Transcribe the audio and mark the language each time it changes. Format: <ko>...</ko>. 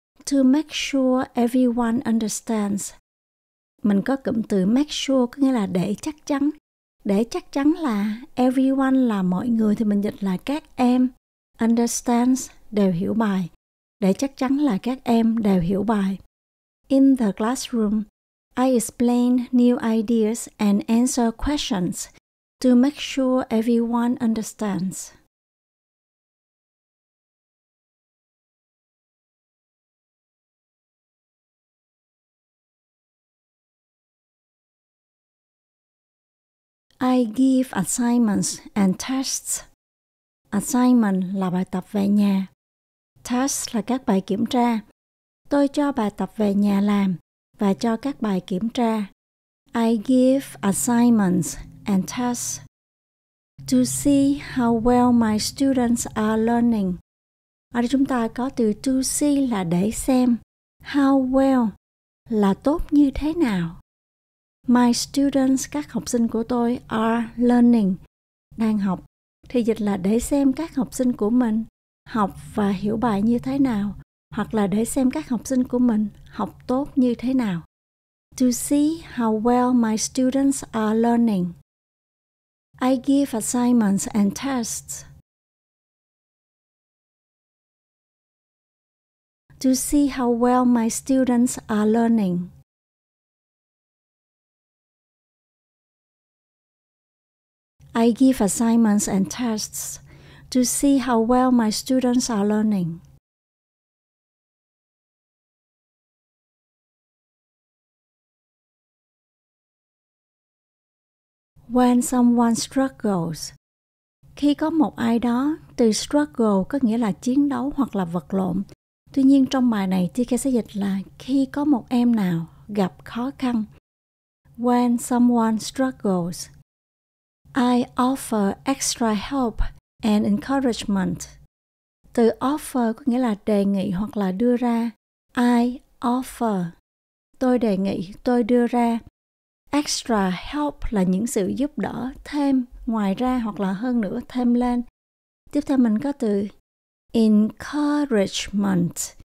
<en>To make sure everyone understands.</en> <vi>Mình có cụm từ make sure có nghĩa là để chắc chắn. Để chắc chắn là everyone là mọi người thì mình dịch là các em. Understands đều hiểu bài. Để chắc chắn là các em đều hiểu bài.</vi> <en>In the classroom, I explain new ideas and answer questions. To make sure everyone understands. I give assignments and tests.</en> <vi>Assignment là bài tập về nhà. Test là các bài kiểm tra. Tôi cho bài tập về nhà làm và cho các bài kiểm tra.</vi> <en>I give assignments and tests. to see how well my students are learning.</en> <vi>Ở đây chúng ta có từ to see là để xem. How well là tốt như thế nào.</vi> <en>My students,</en> <vi>các học sinh của tôi,</vi> <en>are learning,</en> <vi>đang học. Thì dịch là để xem các học sinh của mình học và hiểu bài như thế nào, hoặc là để xem các học sinh của mình học tốt như thế nào.</vi> <en>To see how well my students are learning. I give assignments and tests. To see how well my students are learning. I give assignments and tests to see how well my students are learning. When someone struggles,</en> <vi>khi có một ai đó, từ struggle có nghĩa là chiến đấu hoặc là vật lộn. Tuy nhiên trong bài này, TK sẽ dịch là khi có một em nào gặp khó khăn.</vi> <en>When someone struggles, I offer extra help and encouragement.</en> <vi>Từ offer có nghĩa là đề nghị hoặc là đưa ra.</vi> <en>I offer,</en> <vi>tôi đề nghị, tôi đưa ra. Extra help là những sự giúp đỡ thêm, ngoài ra hoặc là hơn nữa, thêm lên. Tiếp theo mình có từ encouragement.</vi>